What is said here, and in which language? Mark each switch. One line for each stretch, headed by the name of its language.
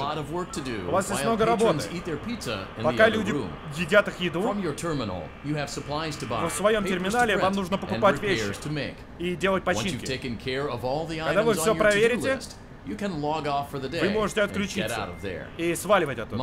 English: You have a lot of work to do.
Russian: У вас есть много работы. Пока люди едят их еду.
English: From your terminal, you have supplies to buy.
Russian: В своем терминале вам нужно покупать вещи и делать починки.
English: Once you've taken care of all the items on your to-do list, You can log off for the day.
Russian: Вы можете отключиться и сваливать оттуда.